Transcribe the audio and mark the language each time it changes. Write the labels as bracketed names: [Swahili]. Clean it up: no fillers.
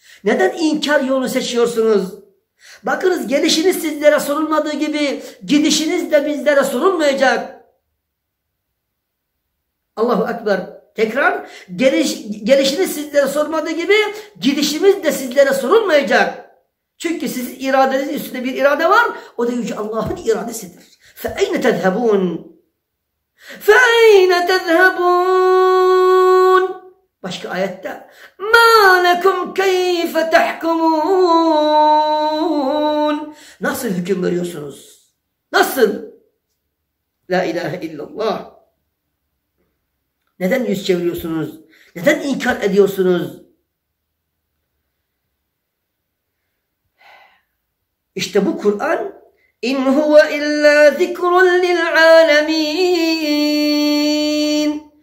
[Turkish] Neden inkar yolunu seçiyorsunuz? Bakınız gelişiniz sizlere sorulmadığı gibi gidişiniz de bizlere sorulmayacak. Allahu Ekber. Tekrar gelişiniz sizlere sormadığı gibi gidişimiz de sizlere sorulmayacak. Çünkü sizin iradenizin üstünde bir irade var. O da Yüce Allah'ın iradesidir. [Arabic] فَاَيْنَ تَذْهَبُونَ فَاَيْنَ تَذْهَبُونَ [Turkish] Başka ayette [Arabic] مَا لَكُمْ كَيْفَ تَحْكُمُونَ [Turkish] Nasıl hüküm veriyorsunuz? Nasıl? La ilahe illallah. Neden yüz çeviriyorsunuz? Neden inkar ediyorsunuz? İşte bu Kur'an [Arabic] in huve illa zikrun lil alamin.